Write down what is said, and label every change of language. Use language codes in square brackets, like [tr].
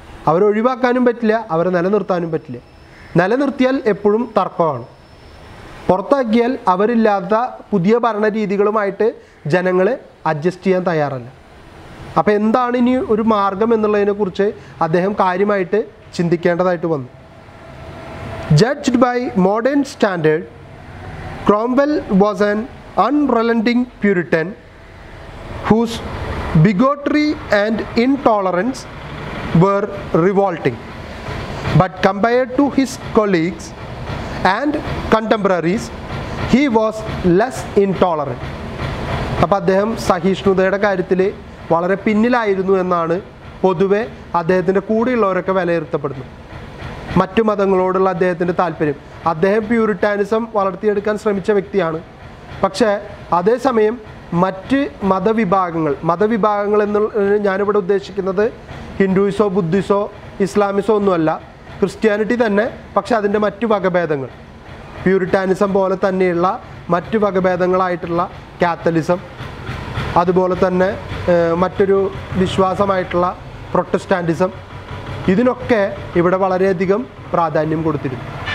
[ml] അവരെ ഒഴിവാക്കാനും പറ്റില്ല, അവരെ നിലനിർത്താനും പറ്റില്ല. നിലനിർത്തിയാൽ എപ്പോഴും തർക്കമാണ്. പുറത്താക്കിയാൽ അവരില്ലാത്ത പുതിയ ഭരണരീതികളുമായിട്ട് ജനങ്ങൾ അഡ്ജസ്റ്റ് ചെയ്യാൻ തയ്യാറല്ല. അപ്പോൾ എന്താണ് ഇനി ഒരു മാർഗം എന്നുള്ളതിനെക്കുറിച്ച് അദ്ദേഹം കാര്യമായിട്ട് ചിന്തിക്കേണ്ടതായിട്ട് വന്നു. [en] Judged by modern standard, Cromwell was an unrelenting Puritan whose bigotry and intolerance were revolting. But compared to his colleagues and contemporaries, he was less intolerant. [ml] അപ്പോൾ അദ്ദേഹം സഹിഷ്ണുതയുടെ കാര്യത്തിൽ വളരെ പിന്നിലായിരുന്നു എന്നാണ് പൊതുവെ അദ്ദേഹത്തിൻ്റെ കൂടെയുള്ളവരൊക്കെ വിലയിരുത്തപ്പെടുന്നത്. മറ്റു മതങ്ങളോടുള്ള അദ്ദേഹത്തിൻ്റെ താല്പര്യം, അദ്ദേഹം പ്യൂരിട്ടാനിസം വളർത്തിയെടുക്കാൻ ശ്രമിച്ച വ്യക്തിയാണ്. പക്ഷേ അതേസമയം മറ്റ് മതവിഭാഗങ്ങൾ എന്ന് ഞാനിവിടെ ഉദ്ദേശിക്കുന്നത് ഹിന്ദുയിസോ ബുദ്ധിസോ ഇസ്ലാമിസോ ഒന്നുമല്ല, ക്രിസ്ത്യാനിറ്റി തന്നെ, പക്ഷെ അതിൻ്റെ മറ്റു വകഭേദങ്ങൾ, പ്യൂരിട്ടാനിസം പോലെ തന്നെയുള്ള മറ്റ് വകഭേദങ്ങളായിട്ടുള്ള കാത്തലിസം, അതുപോലെ തന്നെ മറ്റൊരു വിശ്വാസമായിട്ടുള്ള പ്രൊട്ടസ്റ്റാൻറ്റിസം, ഇതിനൊക്കെ ഇവിടെ വളരെയധികം പ്രാധാന്യം കൊടുത്തിരുന്നു.